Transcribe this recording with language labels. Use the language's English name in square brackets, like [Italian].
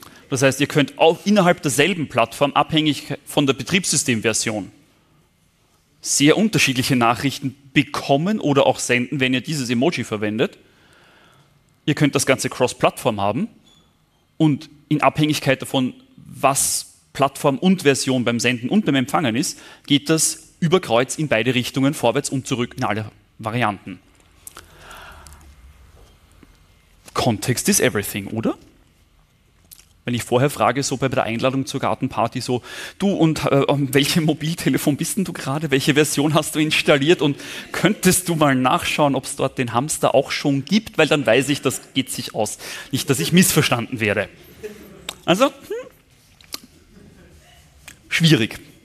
[German] Das heißt, ihr könnt auch innerhalb derselben Plattform, abhängig von der Betriebssystemversion, sehr unterschiedliche Nachrichten bekommen oder auch senden, wenn ihr dieses Emoji verwendet. Ihr könnt das Ganze Cross-Plattform haben und in Abhängigkeit davon, was Plattform und Version beim Senden und beim Empfangen ist, geht das über Kreuz in beide Richtungen, vorwärts und zurück in alle Varianten. [English] Context is everything, oder? [German] Wenn ich vorher frage, so bei der Einladung zur Gartenparty, so, du und welche Mobiltelefon bist denn du gerade, welche Version hast du installiert und könntest du mal nachschauen, ob es dort den Hamster auch schon gibt, weil dann weiß ich, das geht sich aus. Nicht, dass ich missverstanden werde. Also, schwierig.